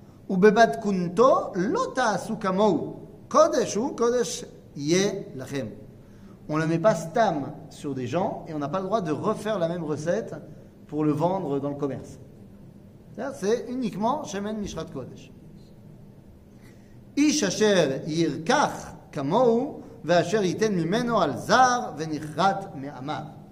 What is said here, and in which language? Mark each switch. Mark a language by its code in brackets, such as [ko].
[he] ובבת קונתו לא תעשו כמוהו. קודש הוא קודש יהיה לכם. [fr] On le met pas stam sur des gens et on n'a pas le droit de refaire la même recette pour le vendre dans le commerce. C'est uniquement Shemen Mishrat Kodesh. [he] איש אשר ירקח כמוהו ואשר ייתן ממנו על זר ונחרט מעמיו.